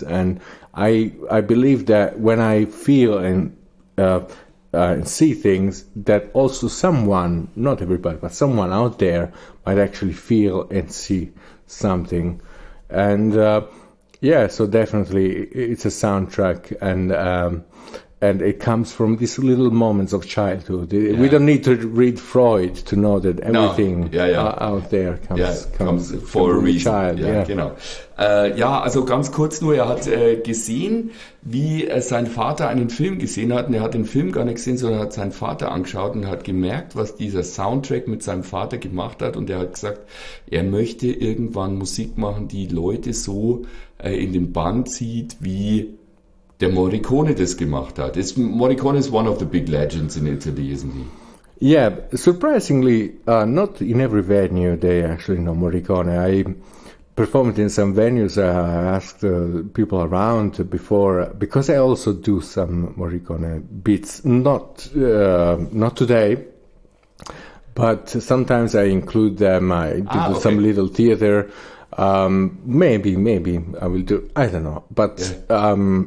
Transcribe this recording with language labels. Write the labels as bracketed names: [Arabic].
[English] And I believe that when I feel and see things, that also someone, not everybody, but someone out there might actually feel and see something. And yeah, so definitely it's a soundtrack, and it comes from these little moments of childhood. We don't need to read Freud to know that everything out there comes for a reason. [German] Genau. Also ganz kurz nur, er hat gesehen, wie sein Vater einen Film gesehen hat, und er hat den Film gar nicht gesehen, sondern hat seinen Vater angeschaut und hat gemerkt, was dieser Soundtrack mit seinem Vater gemacht hat, und er hat gesagt, er möchte irgendwann Musik machen, die Leute so in den Bann zieht, wie der Morricone das gemacht hat. [English] Morricone is one of the big legends in Italy, isn't he? Yeah, surprisingly, not in every venue they actually know Morricone. I performed in some venues, I asked people around before, because I also do some Morricone beats, not today, but sometimes I include them, I do some little theater, maybe I will do, I don't know, but... Yeah.